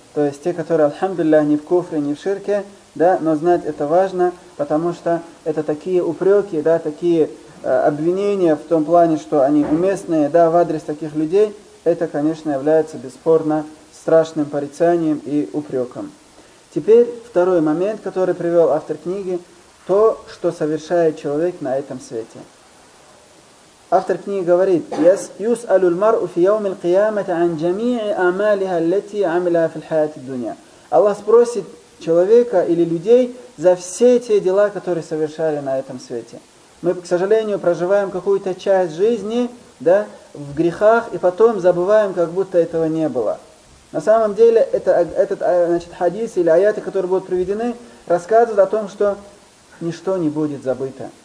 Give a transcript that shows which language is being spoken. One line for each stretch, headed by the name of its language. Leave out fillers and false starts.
Russian: То есть те, которые, альхамдулиллах, не в куфре, не в ширке, да, но знать это важно, потому что это такие упреки, да, такие обвинения в том плане, что они уместные, да, в адрес таких людей, это, конечно, является бесспорно страшным порицанием и упреком. Теперь второй момент, который привел автор книги, то, что совершает человек на этом свете. Автор книги говорит:
Arabic: يُسْأَلُ الْمَرْءُ فِي يَوْمِ الْقِيَامَةِ عَنْ جَمِيعِ أَمَالِهَا الَّتِي عَمِلَهَا فِي الْحَيَاةِ الدُّنْيَا.
Russian: Аллах спросит человека или людей за все те дела, которые совершали на этом свете. мы, к сожалению, проживаем какую-то часть жизни, да, в грехах, и потом забываем, как будто этого не было. На самом деле, этот хадис или аяты, которые будут приведены, рассказывают о том, что ничто не будет забыто.